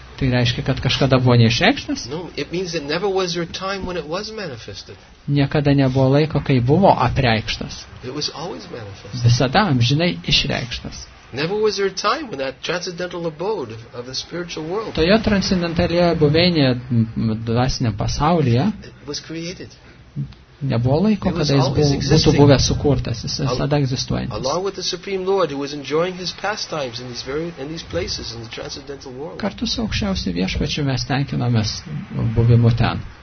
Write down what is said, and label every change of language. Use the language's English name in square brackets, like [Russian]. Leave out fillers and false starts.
[Lithuanian] Tai reiškia, kad kažkada buvo neišreikštas? [English] No, it means that never was your time when it was manifested. [Lithuanian] Niekada nebuvo laiko, kai buvo apreikštas. [English] It was always manifested. [Lithuanian] Visada amžinai išreikštas. [English] Never was your time when that transcendental abode of the spiritual world. [Lithuanian] Toje transcendentalioje buveinėje dvasiniam pasaulyje. [English] It was created. [Lithuanian] Nebuvo laiko, kada jis būtų buvęs sukurtas, jis visada egzistuojantis. Kartu su aukščiausiu Viešpačiu mes tenkinomės buvimu ten.